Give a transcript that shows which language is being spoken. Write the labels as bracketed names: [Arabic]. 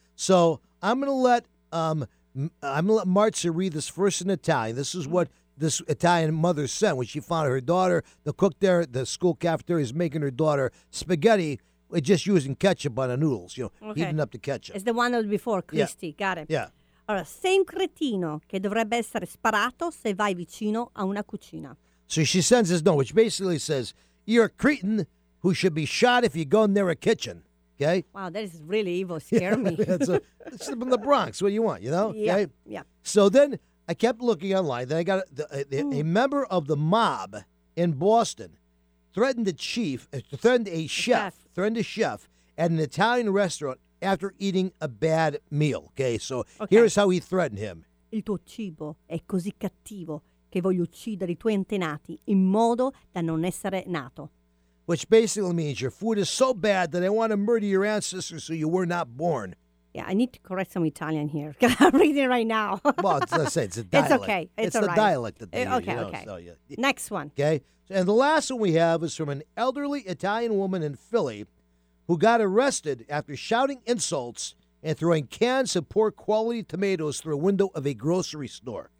[English] So I'm gonna let Marzia read this first in Italian. This is what this Italian mother sent when she found her daughter, the cook there at the school cafeteria, is making her daughter spaghetti with just using ketchup on the noodles, you know, heating up the ketchup. It's the one that was before, Christy. Yeah. Got it. Yeah. [Italian] Allora, sei un cretino che dovrebbe essere sparato se vai vicino a una cucina. [English] So she sends this note, which basically says, you're a cretin who should be shot if you go near a kitchen, okay? Wow, that is really evil. Scare me. It's from the Bronx. What do you want, you know? Yeah, okay? Yeah. So then I kept looking online. Then I got a member of the mob in Boston threatened a chef at an Italian restaurant after eating a bad meal, okay? So here's how he threatened him. [Italian] Il tuo cibo è così cattivo che voglio uccidere i tuoi antenati in modo da non essere nato. [English] Which basically means your food is so bad that I want to murder your ancestors so you were not born. Yeah, I need to correct some Italian here because I'm reading it right now. Well, it's a dialect. It's okay. It's all right. the dialect that they use. Okay, you know, okay. So, yeah. Next one. Okay. And the last one we have is from an elderly Italian woman in Philly who got arrested after shouting insults and throwing cans of poor quality tomatoes through a window of a grocery store.